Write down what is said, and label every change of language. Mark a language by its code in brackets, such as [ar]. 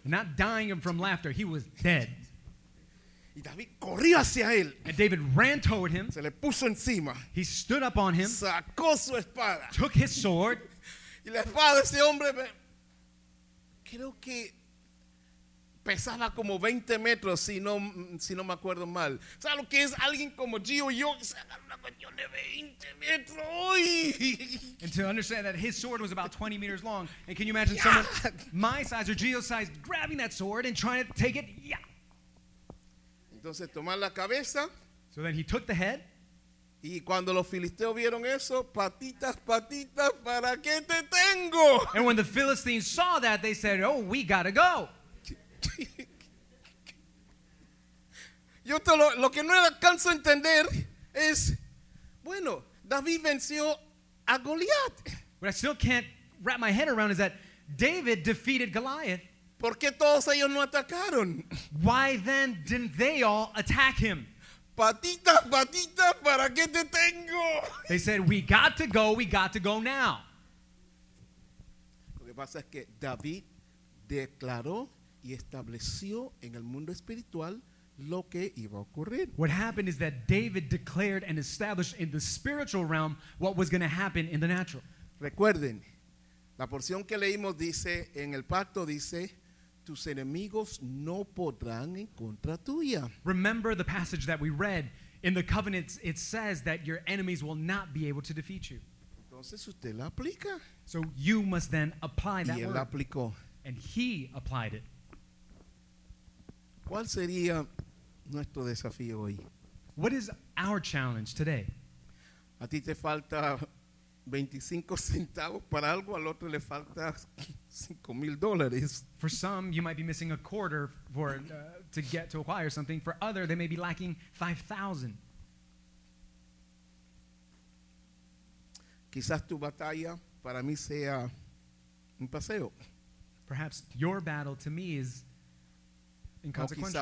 [en] Not dying from laughter, he was dead. [es] Y David corrió hacia él. [en] And David ran toward him. [es] Se le puso encima. [en] He stood up on him. [es] Sacó su espada. [en] Took his sword. [es] Y la espada de ese hombre creo que pesaba como 20 metros, si no me acuerdo mal. ¿Sabes lo que es alguien como Gio y yo? Se agarra una cuestión de 20 metros. [en] And to understand that his sword was about 20 meters long. And can you imagine someone my size or Gio's size grabbing that sword and trying to take it? Yeah. [es] Entonces tomar la cabeza. [en] So then he took the head. [es] Y cuando los filisteos vieron eso, patitas, patitas, ¿para qué te tengo? [en] And when the Philistines saw that, they said, "Oh, we gotta go." [es] Yo te lo que no alcanzo a entender es, bueno, David venció a Goliat. [en] What I still can't wrap my head around is that David defeated Goliath. [es] ¿Por qué todos ellos no atacaron? [en] Why then didn't they all attack him? [es] Patita, patita, ¿para qué te tengo? [en] They said, we got to go now. [es] Lo que pasa es que David declaró y estableció en el mundo espiritual lo que iba a ocurrir. [en] What happened is that David declared and established in the spiritual realm what was going to happen in the natural. [es] Recuerden, la porción que leímos dice, en el pacto dice, tus enemigos no podrán en contra tuya. [en] Remember the passage that we read. In the covenants, it says that your enemies will not be able to defeat you. [es] Entonces usted la aplica. [en] So you must then apply that [es] y él [en] word. [es] La aplicó. [en] And he applied it. [es] ¿Cuál sería nuestro desafío hoy? [en] What is our challenge today? [es] A ti te falta 25 centavos para algo, al otro le falta $5,000. [en] For some, you might be missing a quarter for to get to acquire something. For other, they may be lacking 5,000. [es] Quizás tu batalla para mí sea un paseo. [en] Perhaps your battle to me is inconsequential.